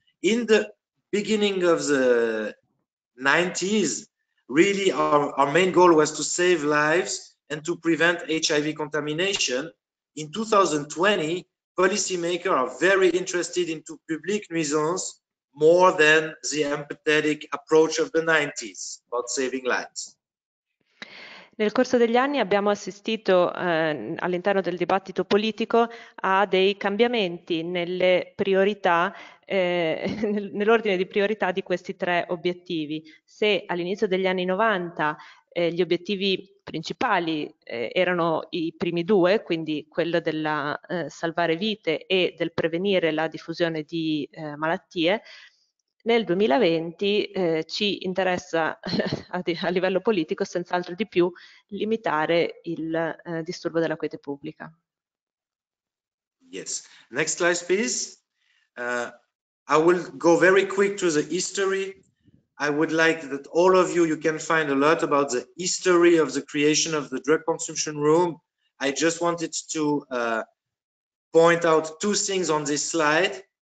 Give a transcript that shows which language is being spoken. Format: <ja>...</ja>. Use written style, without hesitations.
<en>In the beginning of the 90s, really our main goal was to save lives and to prevent HIV contamination. In 2020, policymakers are very interested into public nuisance more than the empathetic approach of the 90s about saving lives.</en> <it>Nel corso degli anni abbiamo assistito all'interno del dibattito politico a dei cambiamenti nelle priorità, nell'ordine di priorità di questi tre obiettivi. Se all'inizio degli anni 90 gli obiettivi principali erano i primi due, quindi quello della salvare vite e del prevenire la diffusione di malattie, nel 2020 ci interessa a livello politico senz'altro di più limitare il disturbo della quiete pubblica.</it> <en>Yes. Next slide, please. I will go very quick to the history. I would like that all of you can find a lot about the history of the creation of the drug consumption room. I just wanted to point out two things on this slide.</en>